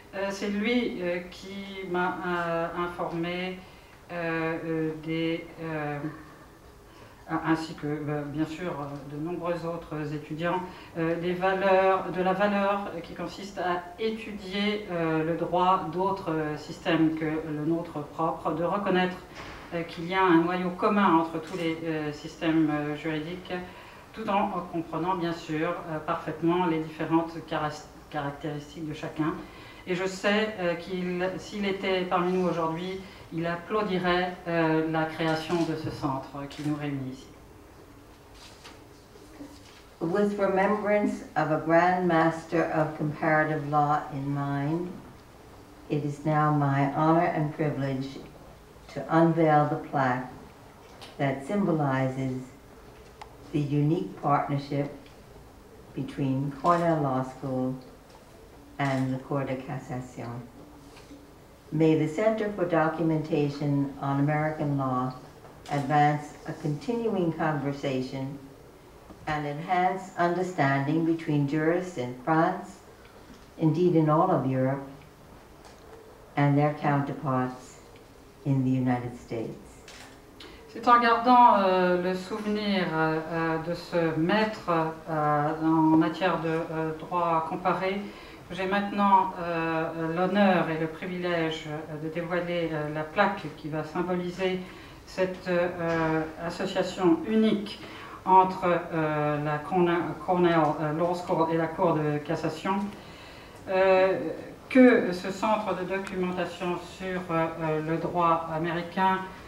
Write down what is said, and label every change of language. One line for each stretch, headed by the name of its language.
French: C'est lui qui m'a informé ainsi que bien sûr de nombreux autres étudiants, de la valeur qui consiste à étudier le droit d'autres systèmes que le nôtre propre, de reconnaître qu'il y a un noyau commun entre tous les systèmes juridiques, tout en comprenant bien sûr parfaitement les différentes caractéristiques de chacun. Et je sais qu'il, s'il était parmi nous aujourd'hui, il applaudirait la création de ce centre qui nous réunit ici.
English: With remembrance of a grand master of comparative law in mind, it is now my honor and privilege to unveil the plaque that symbolizes the unique partnership between Cornell Law School and the Court of Cassation. May the Center for Documentation on American Law advance a continuing conversation and enhance understanding between jurists in France, indeed in all of Europe, and their counterparts in the United States.
French: C'est en gardant le souvenir de ce maître en matière de droit comparé. J'ai maintenant l'honneur et le privilège de dévoiler la plaque qui va symboliser cette association unique entre la Cornell Law School et la Cour de cassation, que ce centre de documentation sur le droit américain